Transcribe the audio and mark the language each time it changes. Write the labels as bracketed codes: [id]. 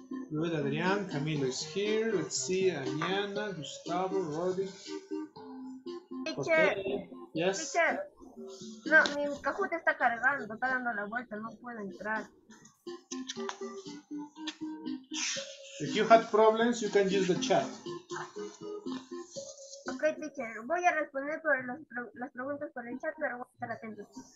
[en] Good, Adrián, Camilo is here. Let's see, Ariana, Gustavo, Rodi. Teacher. Okay. Yes? Teacher. [es] No, mi cajuta está cargando, está dando la vuelta, no puedo entrar. [en] If you had problems, you can use the chat. Okay, teacher. [es] Voy a responder por las preguntas por el chat, pero voy a estar atento.